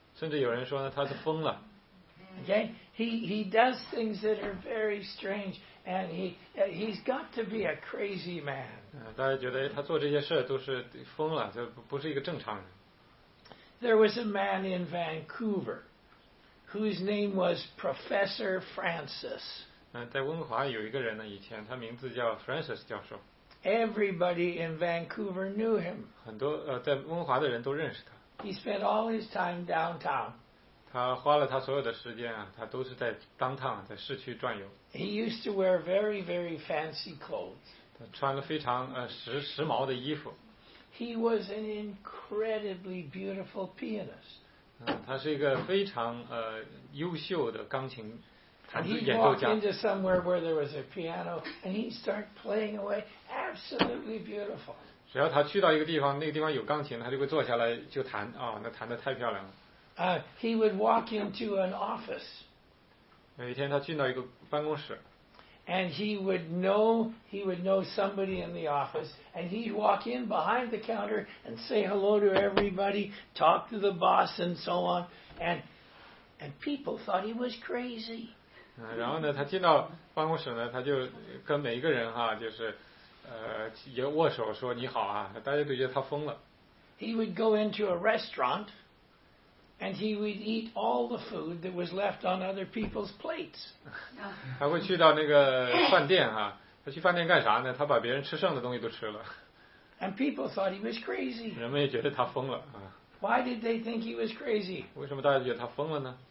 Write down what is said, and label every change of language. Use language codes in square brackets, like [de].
[zh] 甚至有人说呢，他是疯了。 [en] Okay, he does things that are very strange, and he's got to be a crazy man. [zh] 大家觉得他做这些事都是疯了，这不是一个正常人。 [en] There was a man in Vancouver whose name was Professor Francis. [zh] 在温哥华有一个人呢，以前他名字叫 Francis 教授。 [en] Everybody in Vancouver knew him. [zh] 很多在温哥华的人都认识他。 [en] He spent all his time downtown. [zh] 他花了他所有的时间啊，他都是在downtown，在市区转悠。 [en] He used to wear very, very fancy clothes. [zh] 他穿了非常时髦的衣服。 [en] He was an incredibly beautiful pianist. [zh] 他是一个非常优秀的钢琴演奏家。 [en] He walked into somewhere where there was a piano, and he started playing away absolutely beautiful. [zh] 只要他去到一个地方，那个地方有钢琴，他就会坐下来就弹啊，那弹得太漂亮了。 [en] He would walk into an office. [zh] 每天他进到一个办公室。 [en] And he would know somebody in the office, and he'd walk in behind the counter and say hello to everybody, talk to the boss and so on, and people thought he was crazy. [zh] 然后呢，他进到办公室呢，他就跟每一个人哈，就是也握手说你好啊，大家都觉得他疯了。 [en] He would go into a restaurant. And he would eat all the food that was left on other people's plates. [zh] 他会去到那个饭店啊，他去饭店干啥呢？他把别人吃剩的东西都吃了。 [en] And people thought he was crazy. [zh] 人们也觉得他疯了啊。 [en] Why did they think he was crazy? [zh] 为什么大家觉得他疯了呢？